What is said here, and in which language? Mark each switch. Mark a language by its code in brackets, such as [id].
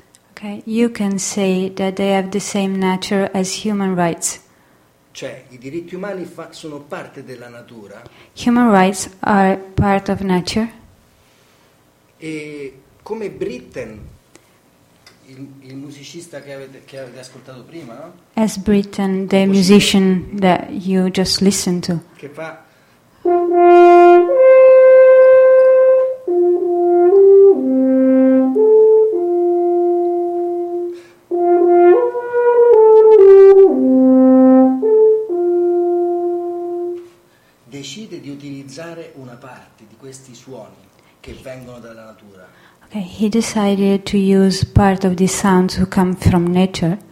[en] Okay, you can say that they have the same nature as human rights. [it] Cioè, i diritti umani sono parte della natura. [en] Human rights are part of nature. [it] E come Britten, il musicista che avete ascoltato prima, no? [en] As Britten, the musician that you just listened to. [it] Che fa... Decide di utilizzare una parte di questi suoni che vengono dalla natura. [en] Okay, he decided to use part of the sounds who come from nature.